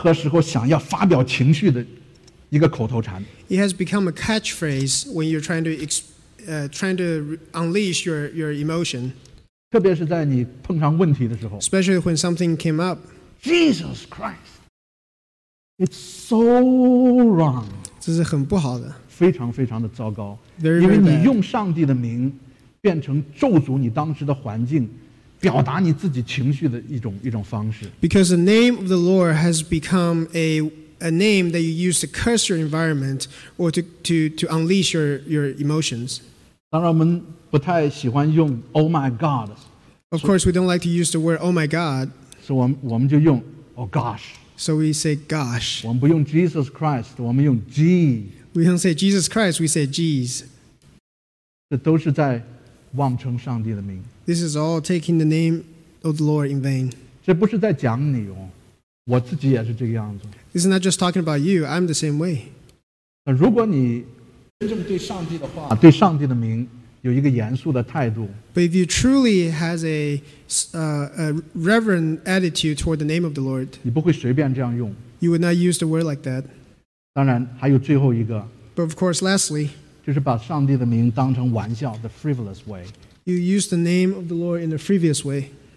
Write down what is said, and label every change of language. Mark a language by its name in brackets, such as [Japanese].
[Chinese] 已经变成你任何时候想要发表情绪的一个口头禅。 [English] It has become a catchphrase when you're trying to unleash your emotion. [Chinese] 特别是在你碰上问题的时候。 [English] Especially when something came up. Jesus Christ. It's so wrong. [Chinese] 这是很不好的，非常非常的糟糕。因为你用上帝的名，变成咒诅你当时的环境，表达你自己情绪的一种方式。 [English] Because the name of the Lord has become a name that you use to curse your environment or to unleash your emotions. [Chinese] 当然，我们不太喜欢用 [English] "Oh my God." Of course, we don't like to use the word "Oh my God." [Chinese] 所以我们就用 [English] "Oh gosh." So we say, gosh. [Chinese] 我们不用 Jesus Christ, 我们用 geez. [English] We don't say Jesus Christ, we say geez. [Chinese] 这都是在妄称上帝的名。 [English] This is all taking the name of the Lord in vain. [Chinese] 这不是在讲你哦, 我自己也是这个样子。 [English] This is not just talking about you, I'm the same way. [Chinese] 如果你真正对上帝的话, 对上帝的名, 有一个严肃的态度, [English] but if you truly has a reverent attitude toward the name of the Lord, [Chinese] 你不会随便这样用, [English] you would not use the word like that. [Chinese] 当然还有最后一个, [English] but of course, lastly, [Chinese] 就是把上帝的名当成玩笑, [English] the frivolous way. You use the name of the Lord in a frivolous way.